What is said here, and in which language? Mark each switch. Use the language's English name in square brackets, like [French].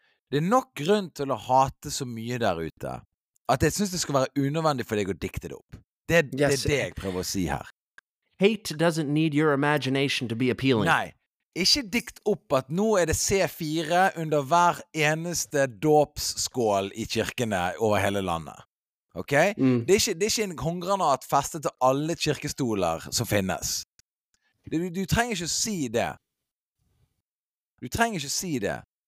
[Norwegian] Det er nok grunn til å hate så mye der ute at jeg synes det skal være unødvendig for deg å dikte det opp. Det, yes, det er det jeg prøver å si her. [English] Hate doesn't need your imagination to be appealing. [Norwegian] Nei. Ikke dikt opp at nå er det C4 under hver eneste dåpsskål i kirkene over hele landet. Ok? Mm. Det er ikke en håndgranat festet til alle kirkestoler som finnes. Du trenger ikke si det. Du trenger ikke si det.